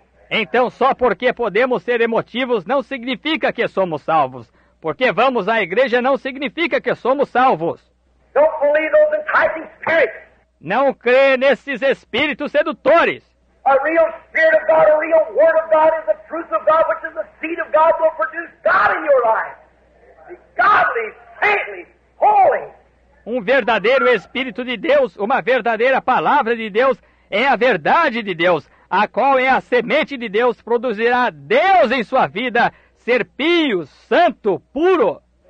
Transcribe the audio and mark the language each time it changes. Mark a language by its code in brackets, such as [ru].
[pt] Então, só porque podemos ser emotivos não significa que somos salvos. Porque vamos à igreja não significa que somos salvos. [en] Don't believe those enticing spirits. [pt] Não crê nesses espíritos sedutores. [en] A real spirit of God, a real word of God is the truth of God, which is the seed of God will produce God in your life. The godly, saintly, holy. [pt] Um verdadeiro espírito de Deus, uma verdadeira palavra de Deus, é a verdade de Deus, a qual é a semente de Deus, produzirá Deus em sua vida, ser pio, santo, puro.